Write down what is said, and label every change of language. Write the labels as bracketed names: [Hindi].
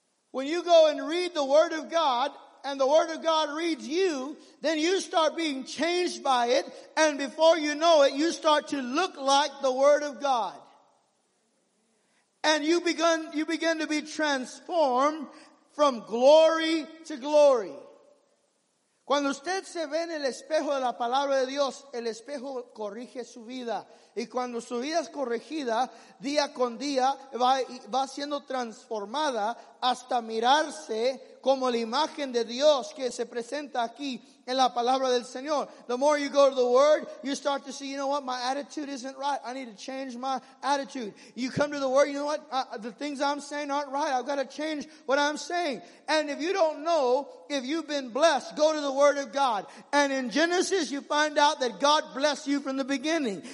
[English] When you go and read the Word of God, and the Word of God reads you, then you start being changed by it. And before you know it, you start to look like the Word of God. And you begin to be transformed from glory to glory. [Spanish] Cuando usted se ve en el espejo de la palabra de Dios, el espejo corrige su vida. Y cuando su vida es corregida, día con día, va siendo transformada hasta mirarse como la imagen de Dios que se presenta aquí en la palabra del Señor. [English] The more you go to the Word, you start to see, you know what, my attitude isn't right. I need to change my attitude. You come to the Word, you know what, the things I'm saying aren't right. I've got to change what I'm saying. And if you don't know if you've been blessed, go to the Word of God. And in Genesis, you find out that God blessed you from the beginning.